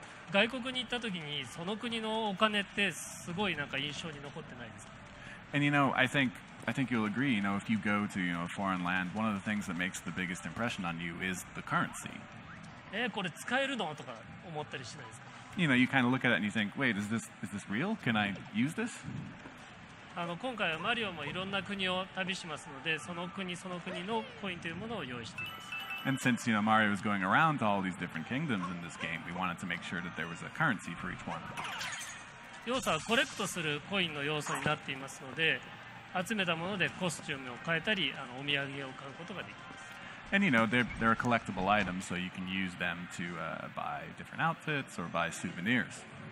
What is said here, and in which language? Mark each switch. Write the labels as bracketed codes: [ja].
[ja] 外国に行った時にその国のお金ってすごいなんか印象に残ってないですか? [en] And you know, I think you'll agree, you know, if you go to, you know, a foreign land, one of the things that makes the biggest impression on you is the currency. [ja] これ使えるの? とか思ったりしないですか? [en] You know, you kind of look at it and you think, wait, is this real? Can I use this? [ja] 今回はマリオもいろんな国を旅しますので、その国その国のコインというものを用意しています。 [en] And since, you know, Mario was going around to all these different kingdoms in this game, we wanted to make sure that there was a currency for each one. [ja] 要素はコレクトするコインの要素になっていますので、集めたものでコスチュームを変えたり、お土産を買うことができます。 [en] And, you know, they're a collectible item, so you can use them to buy different outfits or buy souvenirs.